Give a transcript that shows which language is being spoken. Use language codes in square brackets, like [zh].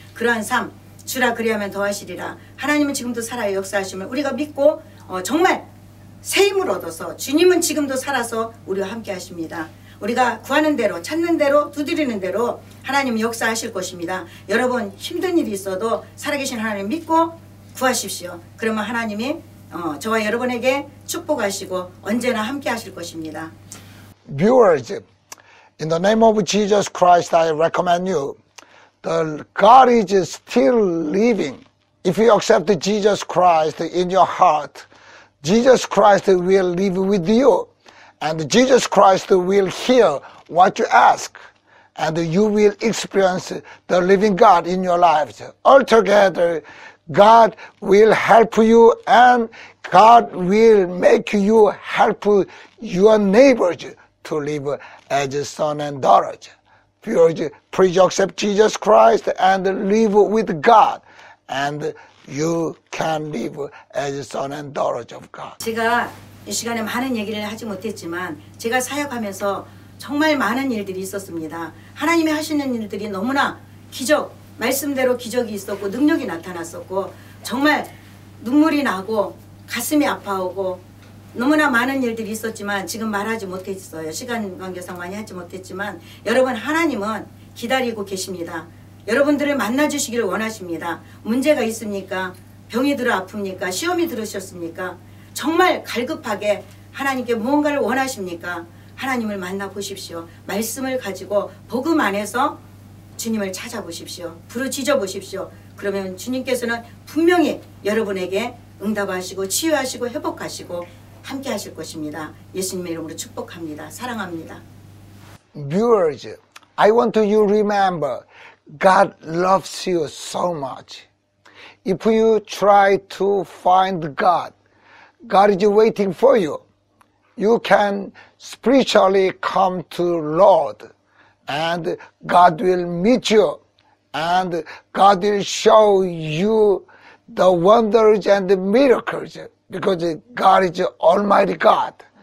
[ko] 그러한 삶 주라 그리하면 더하시리라. 하나님은 지금도 살아 역사하심을 우리가 믿고 정말 새 힘을 얻어서 주님은 지금도 살아서 우리와 함께 하십니다. 우리가 구하는 대로 찾는 대로 두드리는 대로 하나님 역사하실 것입니다. 여러분 힘든 일이 있어도 살아계신 하나님 믿고 구하십시오. 그러면 하나님이 저와 여러분에게 축복하시고 언제나 함께 하실 것입니다. [en] Viewers, in the name of Jesus Christ, I recommend you the God is still living. If you accept Jesus Christ in your heart, Jesus Christ will live with you. And Jesus Christ will hear what you ask. And you will experience the living God in your lives. Altogether, God will help you and God will make you help your neighbors to live as a son and daughter. Please accept Jesus Christ and live with God. And you can live as a son and daughter of God. [ko] 이 시간에 많은 얘기를 하지 못했지만 제가 사역하면서 정말 많은 일들이 있었습니다. 하나님이 하시는 일들이 너무나 기적, 말씀대로 기적이 있었고 능력이 나타났었고 정말 눈물이 나고 가슴이 아파오고 너무나 많은 일들이 있었지만 지금 말하지 못했어요. 시간 관계상 많이 하지 못했지만 여러분 하나님은 기다리고 계십니다. 여러분들을 만나주시기를 원하십니다. 문제가 있습니까? 병이 들어 아픕니까? 시험이 들으셨습니까? 정말 갈급하게 하나님께 무언가를 원하십니까? 하나님을 만나보십시오. 말씀을 가지고 복음 안에서 주님을 찾아보십시오. 부르짖어보십시오. 그러면 주님께서는 분명히 여러분에게 응답하시고 치유하시고 회복하시고 함께 하실 것입니다. 예수님의 이름으로 축복합니다. 사랑합니다. [en] Viewers, I want you to remember God loves you so much. If you try to find God, God is waiting for you. You can spiritually come to Lord and God will meet you and God will show you the wonders and the miracles because God is Almighty God.